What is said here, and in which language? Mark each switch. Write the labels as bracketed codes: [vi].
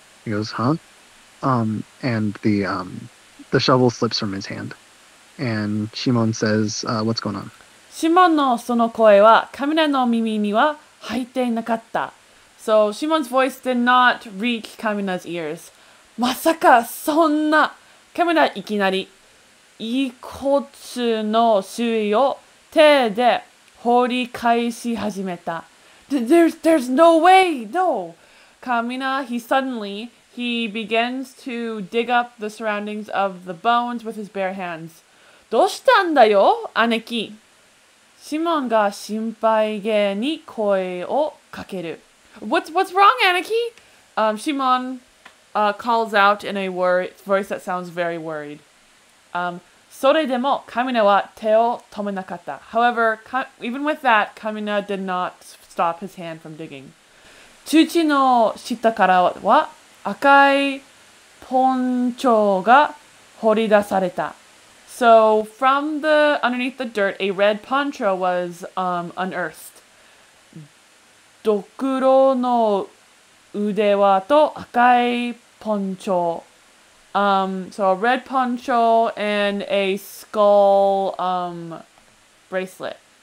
[en] He goes, huh? And the shovel slips from his hand. And Shimon says, what's going on? [ja] Shimon のその声は、カミナの耳には入っていなかった。 [en] So Shimon's voice did not reach Kamina's ears. [ja] まさかそんな、カミナいきなり、遺骨の周囲を手で掘り返し始めた。 [en] There's no way, no. Kamina, he suddenly begins to dig up the surroundings of the bones with his bare hands. [ja] どうしたんだよ、姉貴?Shimon が心配げに声をかける。 [en] What's wrong, 姉貴? Shimon calls out in a voice that sounds very worried. [ja] それでも、カミナは手を止めなかった。 [en] However, even with that, カミナ did not stop his hand from digging. [ja] 土の下からは赤いポンチョが掘り出された。 [en] So, from the underneath the dirt, a red poncho was unearthed. [ja] ドクロの腕輪と赤いポンチョ。 [en] So a red poncho and a skull, bracelet.